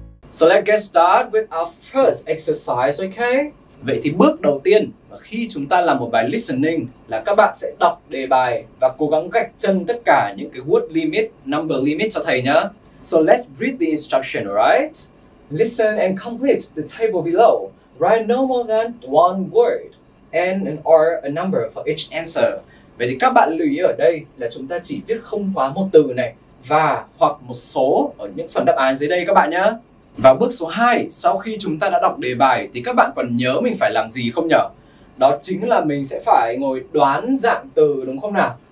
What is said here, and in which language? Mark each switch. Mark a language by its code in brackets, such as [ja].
[en] So, let's get started with our first exercise, okay? [vi] Vậy thì bước đầu tiên, khi chúng ta làm một bài listening là các bạn sẽ đọc đề bài và cố gắng gạch chân tất cả những cái word limit, number limit cho thầy nhé. [en] So let's read the instruction, right? Listen and complete the table below. Write no more than one word and or a number for each answer. [vi] Vậy thì các bạn lưu ý ở đây là chúng ta chỉ viết không quá một từ này và hoặc một số ở những phần đáp án dưới đây các bạn nhé. Và bước số 2, sau khi chúng ta đã đọc đề bài thì các bạn còn nhớ mình phải làm gì không nhở? Đó chính là mình sẽ phải ngồi đoán dạng từ, đúng không nào?